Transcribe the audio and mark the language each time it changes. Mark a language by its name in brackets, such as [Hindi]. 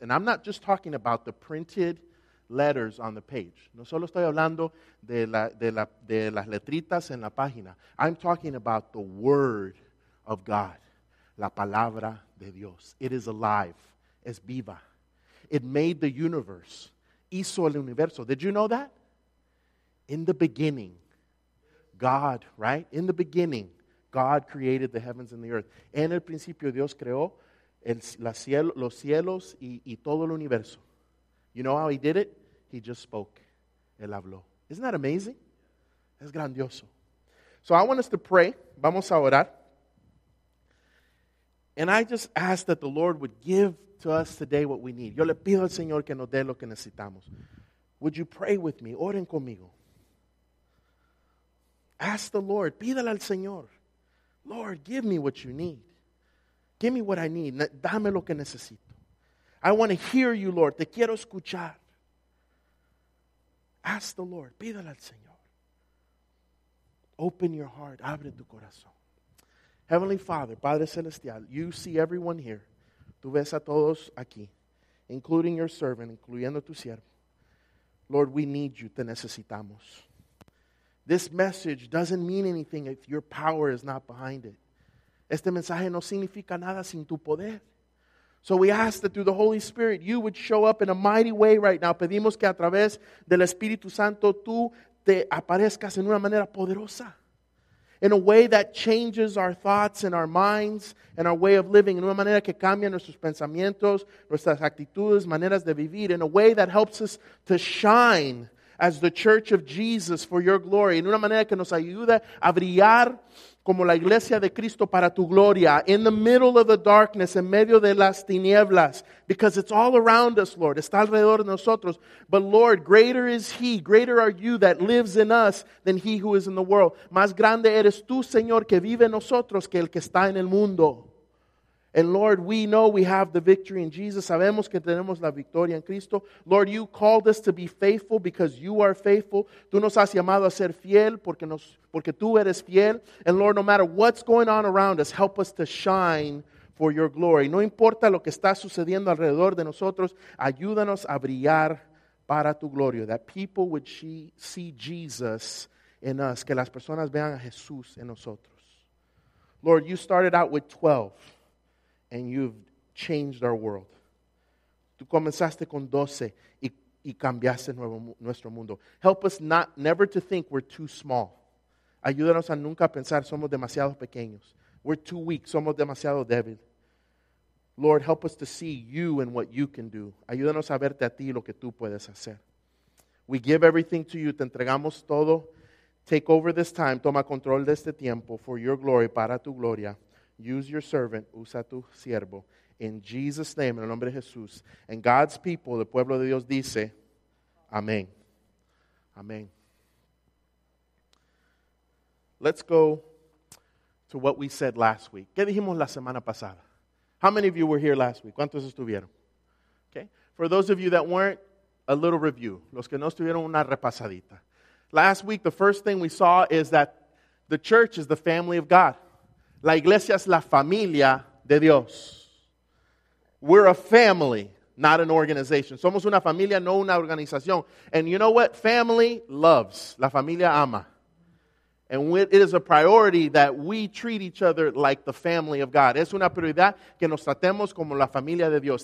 [English] And I'm not just talking about the printed letters on the page. [Spanish] No solo estoy hablando de las letritas en la página. [English] I'm talking about the word of God. [Spanish] La palabra de Dios. [English] It is alive. [Spanish] Es viva. [English] It made the universe. [Spanish] Hizo el universo. [English] Did you know that? In the beginning, God, right? In the beginning, God created the heavens and the earth. [Spanish] En el principio, Dios creó los cielos y todo el universo. [English] You know how he did it? He just spoke. [Spanish] Él habló. [English] Isn't that amazing? [Spanish] Es grandioso. [English] So I want us to pray. [Spanish] Vamos a orar. [English] And I just ask that the Lord would give to us today what we need. [Spanish] Yo le pido al Señor que nos dé lo que necesitamos. [English] Would you pray with me? [Spanish] Oren conmigo. [English] Ask the Lord. [Spanish] Pídale al Señor. [English] Lord, give me what you need. Give me what I need. [Spanish] Dame lo que necesito. [English] I want to hear you, Lord. [Spanish] Te quiero escuchar. [English] Ask the Lord. [Spanish] Pídele al Señor. [English] Open your heart. [Spanish] Abre tu corazón. [English] Heavenly Father, [Spanish] Padre Celestial, [English] you see everyone here. [Spanish] Tú ves a todos aquí, [English] including your servant, [Spanish] incluyendo tu siervo. [English] Lord, we need you. [Spanish] Te necesitamos. [English] This message doesn't mean anything if your power is not behind it. [Spanish] Este mensaje no significa nada sin tu poder. [English] So we ask that through the Holy Spirit, you would show up in a mighty way right now. [Spanish] Pedimos que a través del Espíritu Santo, tú te aparezcas en una manera poderosa. [English] In a way that changes our thoughts and our minds and our way of living. [Spanish] En una manera que cambia nuestros pensamientos, nuestras actitudes, maneras de vivir. [English] In a way that helps us to shine as the church of Jesus for your glory. [Spanish] En una manera que nos ayuda a brillar como la iglesia de Cristo para tu gloria. [English] In the middle of the darkness, [Spanish] en medio de las tinieblas. [English] Because it's all around us, Lord. [Spanish] Está alrededor de nosotros. [English] But Lord, greater is he, greater are you that lives in us than he who is in the world. [Spanish] Más grande eres tú, Señor, que vive en nosotros que el que está en el mundo. [English] And Lord, we know we have the victory in Jesus. [Spanish] Sabemos que tenemos la victoria en Cristo. [English] Lord, you called us to be faithful because you are faithful. [Spanish] Tú nos has llamado a ser fiel porque tú eres fiel. [English] And Lord, no matter what's going on around us, help us to shine for your glory. [Spanish] No importa lo que está sucediendo alrededor de nosotros, ayúdanos a brillar para tu gloria. [English] That people would see Jesus in us. [Spanish] Que las personas vean a Jesús en nosotros. [English] Lord, you started out with 12. And you've changed our world. [Spanish] Tú comenzaste con 12 y cambiaste nuestro mundo. [English] Help us never to think we're too small. [Spanish] Ayúdanos a nunca pensar somos demasiado pequeños. [English] We're too weak. [Spanish] Somos demasiado débil. [English] Lord, help us to see you and what you can do. [Spanish] Ayúdanos a verte a ti lo que tú puedes hacer. [English] We give everything to you. [Spanish] Te entregamos todo. [English] Take over this time. [Spanish] Toma control de este tiempo [English] for your glory, [Spanish] para tu gloria. [English] Use your servant, [Spanish] usa tu siervo. [English] In Jesus' name, [Spanish] en el nombre de Jesús. [English] And God's people, [Spanish] el pueblo de Dios dice, amén. Amén. [English] Let's go to what we said last week. [Spanish] ¿Qué dijimos la semana pasada? [English] How many of you were here last week? [Spanish] ¿Cuántos estuvieron? [English] Okay. For those of you that weren't, a little review. [Spanish] Los que no estuvieron, una repasadita. [English] Last week, the first thing we saw is that the church is the family of God. [Spanish] La iglesia es la familia de Dios. [English] We're a family, not an organization. [Spanish] Somos una familia, no una organización. [English] And you know what? Family loves. [Spanish] La familia ama. [English] And it is a priority that we treat each other like the family of God. [Spanish] Es una prioridad que nos tratemos como la familia de Dios.